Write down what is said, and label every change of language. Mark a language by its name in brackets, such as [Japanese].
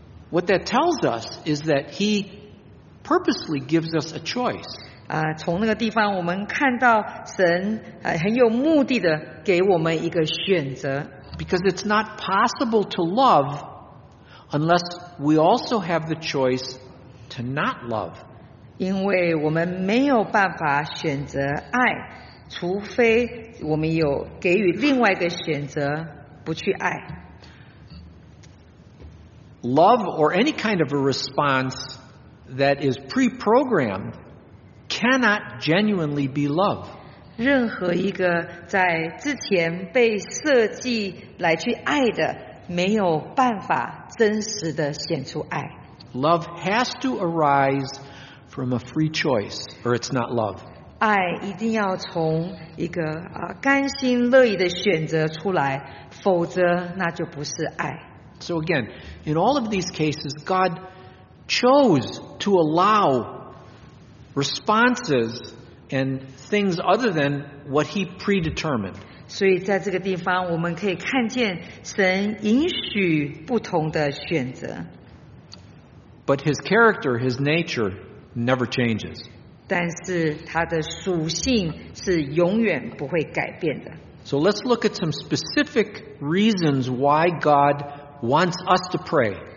[English] What that tells us is that he purposely gives us a choice. [Chinese] 从那个地方我们看到神很有目的的给我们一个选择。 [English] Because it's not possible to love unless we also have the choice to not love. [Chinese] 因为我们没有办法选择爱，除非我们有给予另外一个选择，不去爱。 [English] Love or any kind of a response that is pre-programmed cannot genuinely be love. [Chinese] 任何一个在之前被设计来去爱的，没有办法真实的显出爱。 [English] Love has to arise from a free choice, or it's not love. [Chinese] 爱一定要从一个甘心乐意的选择出来，否则那就不是爱。 [English] So again, in all of these cases, God chose to allow responses. And things other than what he predetermined. [Chinese] 所以在这个地方我们可以看见神允许不同的选择。 [English] But his character, his nature never changes. [Chinese] 但是他的属性是永远不会改变的。 [English] So let's look at some specific reasons why God wants us to pray.